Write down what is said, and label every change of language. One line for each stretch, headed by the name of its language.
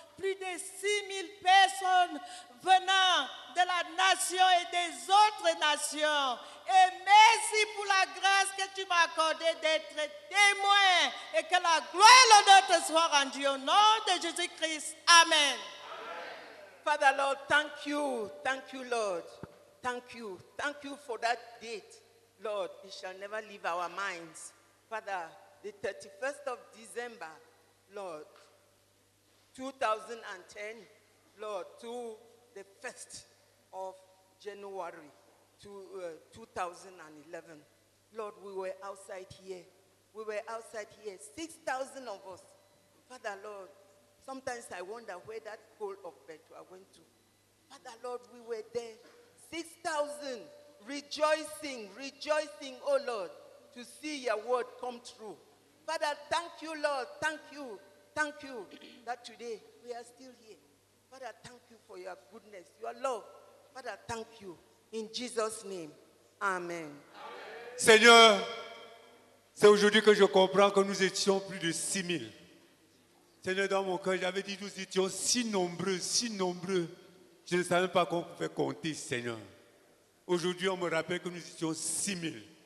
French: Plus de 6000 personnes venant de la nation et des autres nations. Et merci pour la grâce que tu m'as accordée d'être témoin et que la gloire et l'honneur te soient rendus au nom de Jésus-Christ. Amen. Amen.
English: Father Lord, thank you Lord, thank you for that date. Lord, it shall never leave our minds. Father, the 31st of December, Lord, 2010, Lord, to the 1st of January. To 2011. Lord, we were outside here. We were outside here, 6,000 of us. Father, Lord, sometimes I wonder where that hole of Bethel went to. Father, Lord, we were there, 6,000, rejoicing, oh Lord, to see your word come true. Father, thank you, Lord, thank you that today we are still here. Father, thank you for your goodness, your love. Father, thank you. In Jesus' name, amen. Amen.
French: Seigneur, c'est aujourd'hui que je comprends que nous étions plus de 6000. Seigneur, dans mon cœur, j'avais dit nous étions si nombreux. Je ne savais pas qu'on pouvait compter, Seigneur. Aujourd'hui, on me rappelle que nous étions 6000.